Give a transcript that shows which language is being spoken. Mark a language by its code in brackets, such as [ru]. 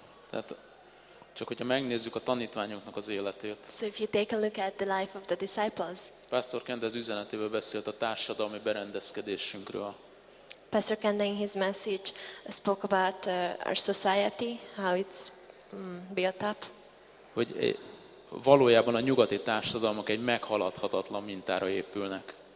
[hu] Tehát csak hogyha megnézzük a tanítványoknak az életét. [en] So if you take a look at the life of the disciples. [hu] Pastor Kende az üzenetében beszélt a társadalmi berendezkedésünkről. [en] Pastor Kende in his message spoke about our society, how it's built up. [hu] Hogy valójában a nyugati társadalmak egy meghaladhatatlan mintára épülnek.